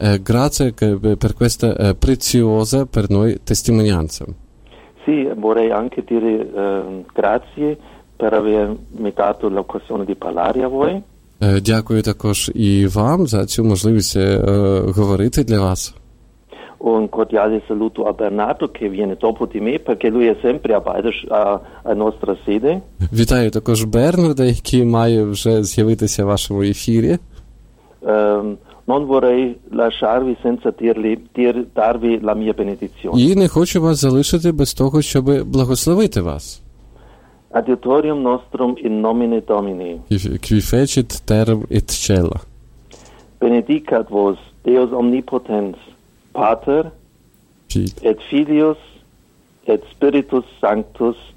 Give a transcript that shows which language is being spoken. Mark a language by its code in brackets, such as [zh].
[it] Grazie per questa preziosa per noi testimonianza. Sì, vorrei anche dire grazie per avermi dato l'occasione di parlare a voi. [uk] Дякую також і вам за цю можливість говорити для вас. [it] Un cordiale saluto a Bernardo che viene dopo di me perché lui è sempre a nostra sede. [uk] Вітаю також Бернарда, який має вже з'явитися в вашому ефірі. [it] Non vorrei lasciarvi senza darvi la mia benedizione. [uk] І не хочу вас залишити без того, щоб благословити вас. [la] Adiutorium nostrum in nomine Domini. Qui fecit terra et cielo. Benedicat vos Deus omnipotens, Pater, et Filius, et Spiritus Sanctus.